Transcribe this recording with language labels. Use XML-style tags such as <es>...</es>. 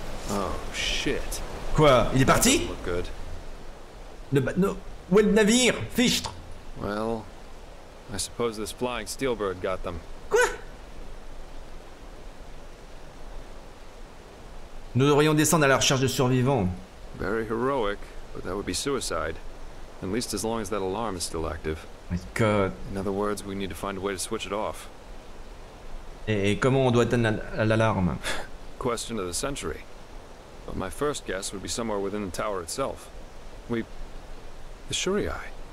<en>Oh, shit.</en> <fr>Quoi? Il est parti? Le bateau. Où est le navire? Fichtre!</fr> <en>Well, I suppose this flying steelbird got them.</en> <fr>Quoi? Nous devrions descendre à la recherche de survivants.</fr> <en>Very heroic, but that would be suicide. At least as long as that alarm is still active. My god. In other words, we need to find a way to switch it off.</en> <fr>Et comment on doit atteindre l'alarme?</fr> <en>Question of the century. But my first guess would be somewhere within the tower itself. We. The Shurei.</en>